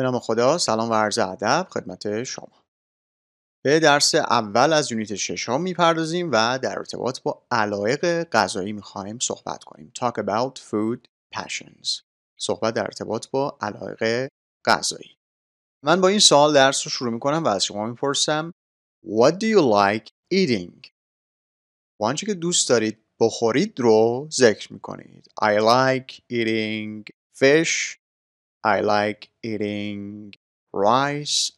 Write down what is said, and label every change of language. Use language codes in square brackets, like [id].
[fa] خدا. سلام و عرض ادب خدمت شما. به درس اول از یونیت ششم میپردازیم و در ارتباط با علایق غذایی میخواهیم صحبت کنیم. [en] Talk about food passions. [fa] صحبت در ارتباط با علایق غذایی. من با این سوال درس رو شروع میکنم و از شما میپرسم [en] What do you like eating؟ [fa] و آنچه که دوست دارید بخورید رو ذکر میکنید. [en] I like eating fish. I like eating rice.